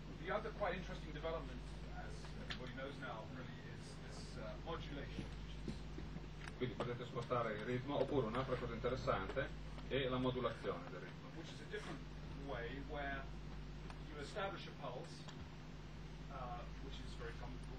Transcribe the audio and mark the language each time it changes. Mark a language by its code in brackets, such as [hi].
[en] The other quite interesting development, as everybody knows now, really is this modulation. [it] Quindi potete spostare il ritmo, oppure un'altra cosa interessante è la modulazione del ritmo. [en] Which is a different way where you establish a pulse, which is very common.